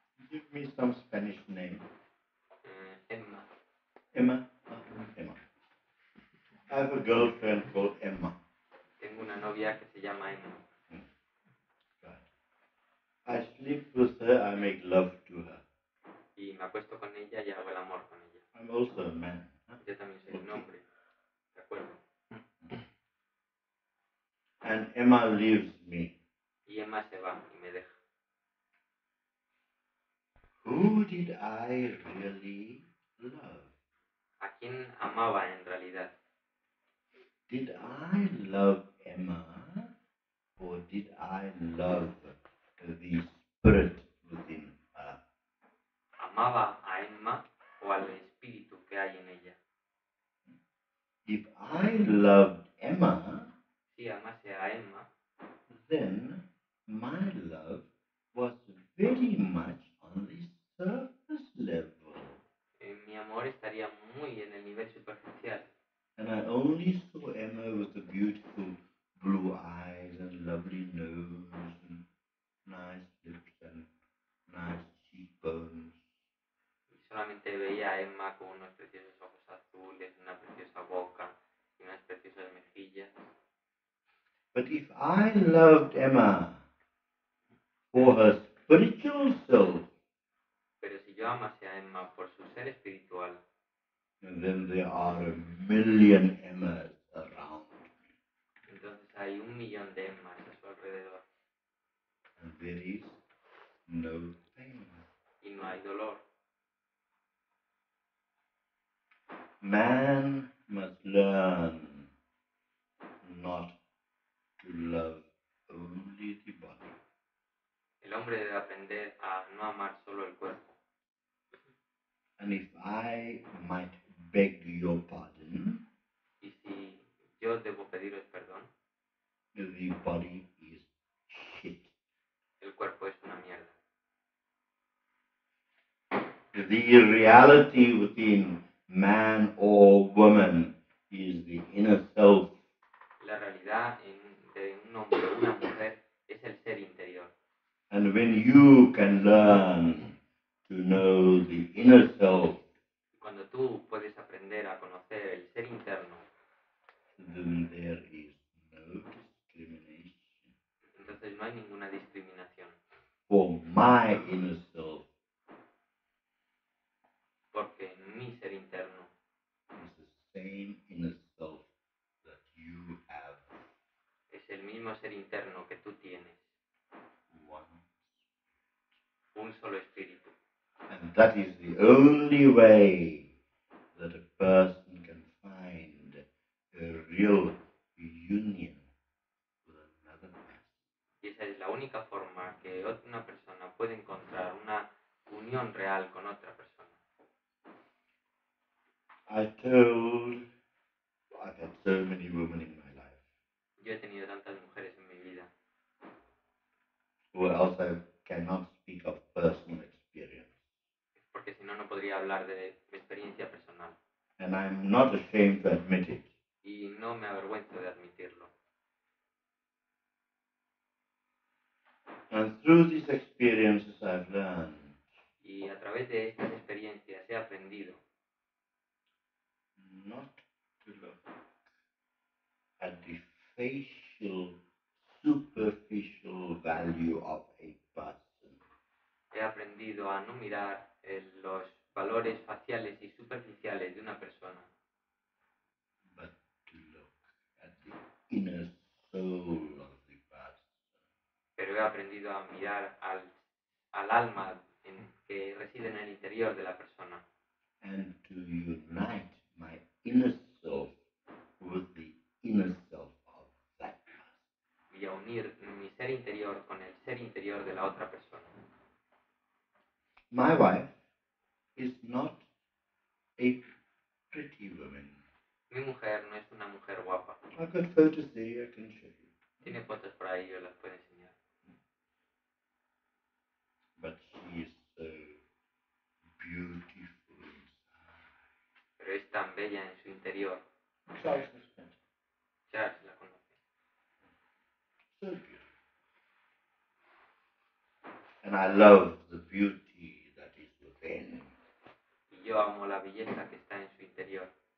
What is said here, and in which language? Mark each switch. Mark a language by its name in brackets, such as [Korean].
[English] Give me some Spanish name. Emma. Emma. Emma. I have a girlfriend called Emma. [Spanish] Tengo una novia que se llama Emma. [English] I sleep with her, I make love to her. [Spanish] Y me acuesto con ella y hago el amor con ella. [English] I'm also a man. [Spanish] Yo también soy un hombre. ¿De acuerdo? [English] And Emma leaves me. [Spanish] Y Emma se va y me deja. [English] Who did I really love? [Spanish] ¿A quién amaba en realidad? [English] Did I love Emma? Or did I love the spirit within her? [Spanish] ¿Amaba a Emma o al espíritu que hay en ella? [English] If I loved Emma, [Spanish] si amase a Emma, [English] then my love was very much on the surface level. [Spanish] Mi amor estaría muy en el nivel superficial. [English] And I only saw Emma with the beautiful blue eyes and lovely nose and nice lips and nice cheekbones. [Spanish] solamente veía a Emma con unos preciosos ojos azules, una preciosa boca y unas preciosas mejillas. [English] But if I loved Emma for her spiritual soul, [Spanish] pero si yo amase a Emma por su ser espiritual, [English] then there are a million Emmas around. [Spanish] Entonces hay un millón de Emmas a su alrededor. [English] And there is no pain. [Spanish] Y no hay dolor. [English] Man must learn not to love only the body. [Spanish] El hombre debe aprender a no amar solo el cuerpo. [English] And if I might beg your pardon, [Spanish] y si yo debo pediros perdón, [English] the body is shit. [Spanish] El cuerpo es una mierda. [English] The reality within man or woman is the inner self. [Spanish] La realidad en de un hombre o una mujer es el ser interior. [English] And when you can learn to know the inner self, [Spanish] cuando tú puedes aprender a conocer el ser interno, [English] then there is no discrimination. [Spanish] Entonces no hay ninguna discriminación. [English] For my inner self, [Spanish] porque en mi ser interno [English] is the same inner self that you have. [Spanish] Es el mismo ser interno que tú tienes. [English] One. [Spanish] Un solo espíritu. [English] And that is the only way that a person can find a real union with another man. [Spanish] Y esa es la única forma que una persona puede encontrar una unión real con otra persona. [English] I've had so many women in my life. [Spanish] Yo he tenido tantas mujeres en mi vida. [English] Well, also cannot speak of personal experience. [Spanish] Porque si no, no podría hablar de mi experiencia personal. [English] And I'm not ashamed to admit it. [Spanish] Y no me avergüenzo de admitirlo. [English] And through these experiences I've learned. [Spanish] Y a través de estas experiencias he aprendido. [English] Not to look at the facial, superficial value of a person. [Spanish] He aprendido a no mirar los valores faciales y superficiales de una persona. [English] But to look at the inner soul of the person. [Spanish] Pero he aprendido a mirar al alma en que reside en el interior de la persona. [English] And to unite my inner self with the inner self of that person. [Spanish] Y a unir mi ser interior con el ser interior de la otra persona. [English] My wife is not a pretty woman. [Spanish] Mi mujer no es una mujer guapa. [English] I've got photos there, I can show you. [Spanish] Tiene fotos por ahí, yo las puedo enseñar. [English] But she is so beautiful. [Spanish] Pero es tan bella en su interior. Charles la conoce. [English] So beautiful. And I love the beauty that is within. [Spanish] Y yo amo la belleza que está en su interior.